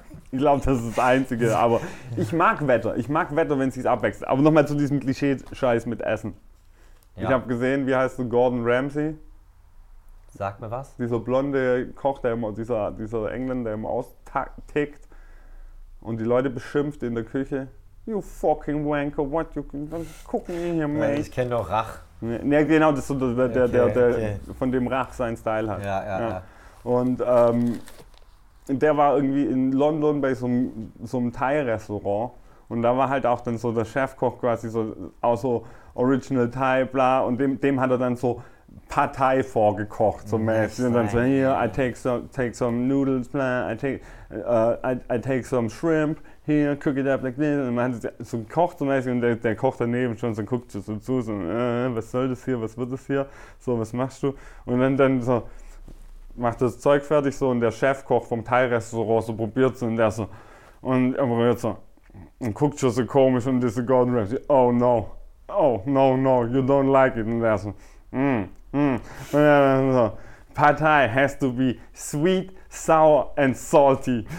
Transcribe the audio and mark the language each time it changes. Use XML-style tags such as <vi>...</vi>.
<de>Ich glaube, das ist das Einzige. Aber ich mag Wetter. Ich mag Wetter, wenn es sich abwechselt. Aber nochmal zu diesem Klischee-Scheiß mit Essen. Ja. Ich habe gesehen, wie heißt du, Gordon Ramsay? Sag mir was. Dieser blonde Koch, der immer, dieser Engländer, der immer austickt und die Leute beschimpft in der Küche.</de> <en>You fucking wanker, what you cooking in here, mate?</en> <de>Ich kenne doch Rach. Ne, genau, das ist so der von dem Rach seinen Style hat. Ja, ja, ja. Und der war irgendwie in London bei so einem Thai-Restaurant und da war halt auch dann so der Chefkoch quasi so, auch so Original Thai, bla, und dem hat er dann so Partei vorgekocht, so mäßig. Und dann so, hier,</de> <en>I take some noodles, blah, I take some shrimp, here, cook it up like this.</en> <de>Und man hat so gekocht, so mäßig, und der kocht daneben schon, so guckt so zu, so, was soll das hier, was wird das hier, so, was machst du? Und dann so, macht das Zeug fertig, so, und der Chefkoch vom Thai-Restaurant so probiert so, und der so, und er probiert so, und guckt schon so komisch, und diese Gordon Ramsay,</de> <en>oh no, you don't like it,</en> <de>und der so, und dann so,</de> <en>Partei has to be sweet, sour and salty.</en>